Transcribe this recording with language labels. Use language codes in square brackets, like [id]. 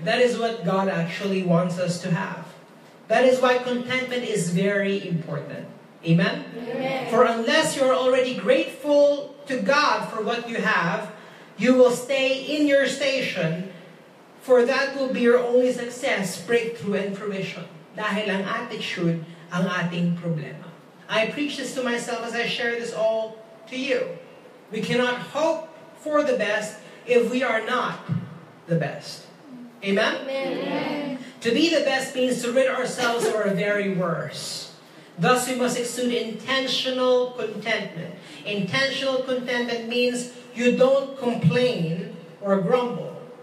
[en] That is what God actually wants us to have. That is why contentment is very important. Amen? Amen. For unless you're already grateful to God for what you have, you will stay in your station, for that will be your only success, breakthrough, and fruition. [tl] Dahil ang attitude ang ating problema. [en] I preach this to myself as I share this all to you. We cannot hope for the best if we are not the best. Amen? Amen. To be the best means to rid ourselves of our very worst. Thus, we must exude intentional contentment. Intentional contentment means you don't complain or grumble.